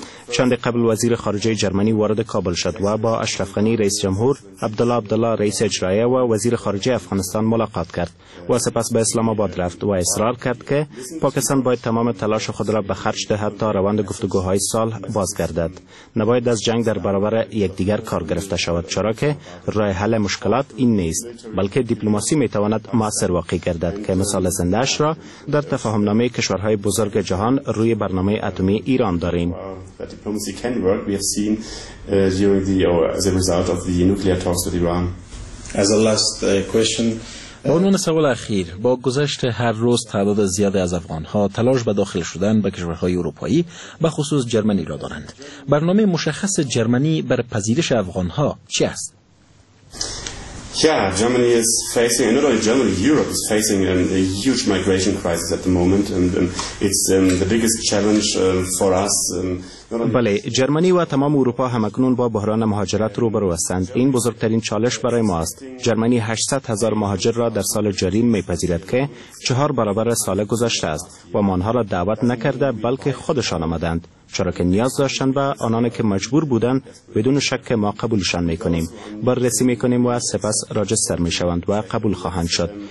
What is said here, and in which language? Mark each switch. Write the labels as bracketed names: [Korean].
[Persian] چند قبل وزیر خارجه جرمنی وارد کابل شد و با اشرف غنی رئیس جمهور، عبدالله عبدالله رئیس اجرائیه و وزیر خارجه افغانستان ملاقات کرد و سپس به اسلام آباد رفت و اصرار کرد که پاکستان باید تمام تلاش خود را به خرج دهد تا روند گفتگوهای صلح بازگردد. نباید از جنگ در برابر یکدیگر کار گرفته شود، چرا که راه حل مشکلات این نیست، بلکه دیپلماسی می تواند مؤثر واقع گردد که مثال زنده اش را در تفاهم نامه کشورهای بزرگ جهان روی برنامه اتمی ایران داریم. [English] Diplomacy can work. We have seen during the or as a result of the nuclear talks with Iran. As a last question. [Persian] با عنوان سوال اخیر، با گذشت هر روز تعداد زیادی از افغان‌ها تلاش به داخل شدن به کشورهای اروپایی به خصوص جرمنی را دارند. برنامه مشخص جرمنی بر پذیرش افغان‌ها چی است؟ [English] Germany is facing, and not only Germany, Europe is facing a huge migration crisis at the moment, and it's the biggest challenge for us. [Persian] بله، جرمنی و تمام اروپا همکنون با بحران مهاجرت روبرو هستند. این بزرگترین چالش برای ما است. جرمنی 800 هزار مهاجر را در سال جاری میپذیرد که 4 برابر سال گذشته است و ما آنها را دعوت نکرده بلکه خودشان آمدند. چرا که نیاز داشتن و آنانی که مجبور بودند بدون شک ما قبولشان میکنیم، بررسی میکنیم و سپس راجستر میشوند و قبول خواهند شد.